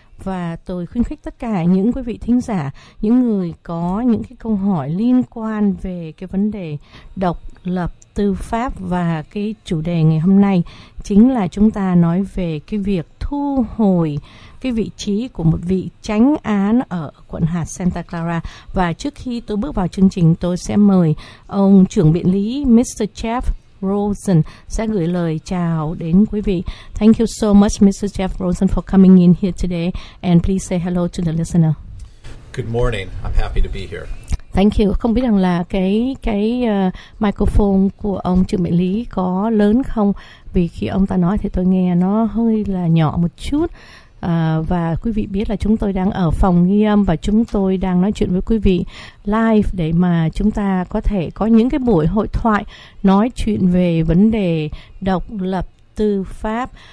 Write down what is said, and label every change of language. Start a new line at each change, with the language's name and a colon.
Vietnamese: Và tôi khuyến khích tất cả những quý vị thính giả, những người có những cái câu hỏi liên quan về cái vấn đề độc lập tư pháp, và cái chủ đề ngày hôm nay chính là chúng ta nói về cái việc thu hồi cái vị trí của một vị chánh án ở quận hạt Santa Clara. Và trước khi tôi bước vào chương trình, tôi sẽ mời ông trưởng biện lý Mr. Jeff Rosen sẽ gửi lời chào đến quý vị.
English: Thank you so much, Mr. Jeff Rosen, for coming in here today, and please say hello to the listener. Good morning. I'm happy to be here. Thank you.
Vietnamese: Không biết rằng là cái microphone của ông trưởng biện lý có lớn không? Vì khi ông ta nói thì tôi nghe nó hơi là nhỏ một chút. Và quý vị biết là chúng tôi đang ở phòng ghi âm và chúng tôi đang nói chuyện với quý vị live để mà chúng ta có thể có những cái buổi hội thoại nói chuyện về vấn đề độc lập tư pháp.